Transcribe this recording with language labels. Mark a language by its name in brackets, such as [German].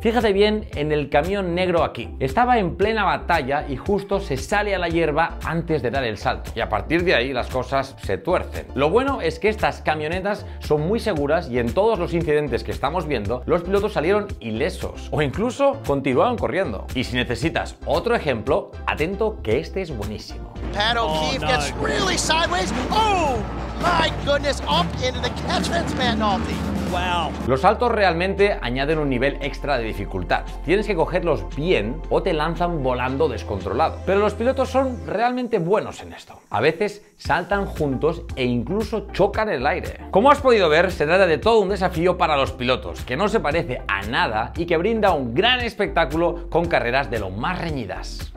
[Spanish] Fíjate bien en el camión negro aquí. Estaba en plena batalla y justo se sale a la hierba antes de dar el salto. Y a partir de ahí las cosas se tuercen. Lo bueno es que estas camionetas son muy seguras y en todos los incidentes que estamos viendo, los pilotos salieron ilesos o incluso continuaron corriendo. Y si necesitas otro ejemplo, atento que este es buenísimo. [English] Pat O'Keefe gets really sideways. Oh my goodness, up into the catch fence penalty. Wow. [Spanish] Los saltos realmente añaden un nivel extra de dificultad. Tienes que cogerlos bien o te lanzan volando descontrolado. Pero los pilotos son realmente buenos en esto. A veces saltan juntos e incluso chocan el aire. Como has podido ver, se trata de todo un desafío para los pilotos, que no se parece a nada y que brinda un gran espectáculo con carreras de lo más reñidas.